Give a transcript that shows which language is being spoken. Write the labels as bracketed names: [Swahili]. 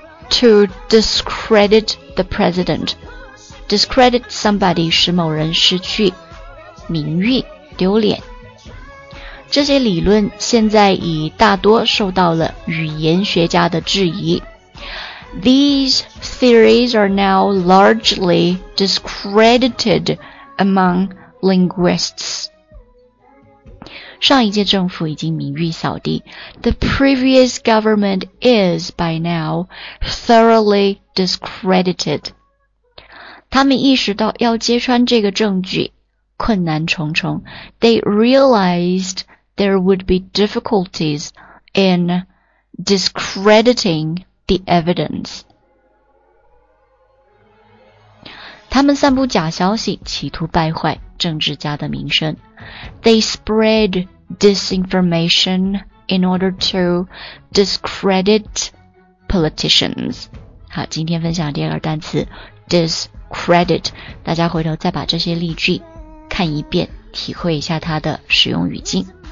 [English] To discredit the president. Discredit somebody [Chinese] 使某人失去名誉、丢脸。这些理论现在已大多受到了语言学家的质疑。 [English] These theories are now largely discredited among linguists. [Chinese] 上一届政府已经名誉扫地。 [English] The previous government is, by now, thoroughly discredited. [Chinese] 他们意识到要揭穿这个证据困难重重。 [English] They realized there would be difficulties in discrediting the evidence. [Chinese] 他们散布假消息，企图败坏政治家的名声。 [English] They spread disinformation in order to discredit politicians. [Chinese] 好，今天分享第二个单词 discredit. 大家回头再把这些例句看一遍，体会一下它的使用语境。